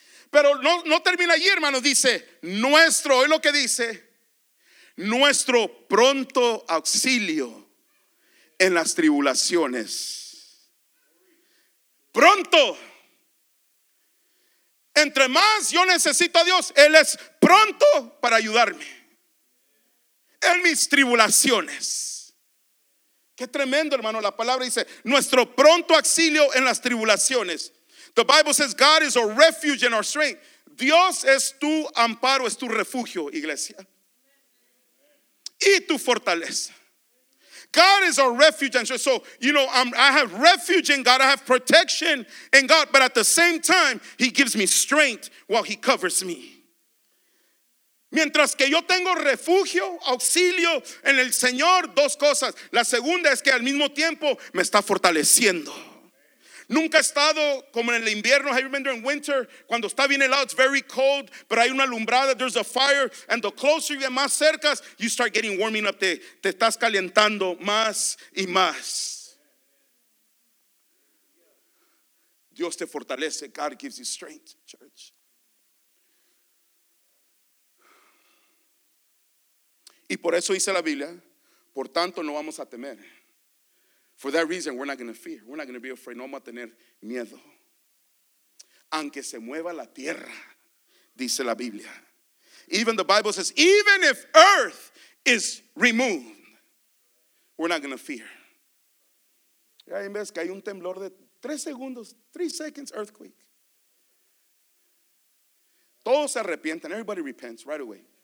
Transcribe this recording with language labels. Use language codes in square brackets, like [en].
[es] Pero no termina allí, hermanos. Dice, nuestro, oye lo que dice, nuestro pronto auxilio en las tribulaciones. Pronto. Entre más yo necesito a Dios, Él es pronto para ayudarme en mis tribulaciones. Qué tremendo, hermano. La palabra dice, nuestro pronto auxilio en las tribulaciones. [en] The Bible says God is a refuge and our strength. [es] Dios es tu amparo, es tu refugio, iglesia. Y tu fortaleza. [en] God is our refuge and strength. So, you know, I have refuge in God. I have protection in God. But at the same time, he gives me strength while he covers me. [es] Mientras que yo tengo refugio, auxilio en el Señor, dos cosas. La segunda es que al mismo tiempo me está fortaleciendo. Nunca he estado como en el invierno. [en] Have you been during winter? [es] Cuando está bien helado, [en] it's very cold, [es] pero hay una lumbrada, [en] there's a fire, and the closer you get, [es] más cercas, [en] you start getting warming up. [es] Te estás calentando más y más. Dios te fortalece. [en] God gives you strength, church. [es] Y por eso dice la Biblia, por tanto no vamos a temer. [en] For that reason, we're not going to fear. We're not going to be afraid. [es] No vamos a tener miedo. Aunque se mueva la tierra, dice la Biblia. [en] Even the Bible says, even if earth is removed, we're not going to fear. [es] Y ahí ves que hay un temblor de 3 segundos, [en] 3 seconds earthquake. [es] Todos se arrepienten. [en] Everybody repents right away.